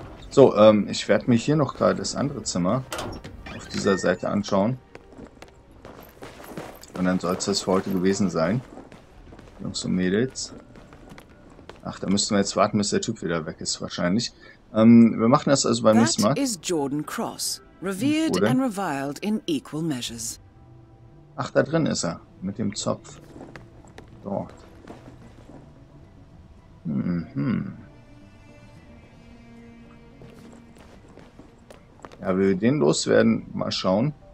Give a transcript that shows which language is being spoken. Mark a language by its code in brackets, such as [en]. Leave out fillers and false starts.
[de] So, ich werde mir hier noch gerade das andere Zimmer dieser Seite anschauen. Und dann soll es das für heute gewesen sein. Jungs und Mädels. Ach, da müssen wir jetzt warten, bis der Typ wieder weg ist, wahrscheinlich. Wir machen das also beim nächsten Mal. [en] That is Jordan Cross, revered and reviled in equal measures. [de] Ach, da drin ist er, mit dem Zopf. Dort. Mhm. Ja, will den loswerden, mal schauen.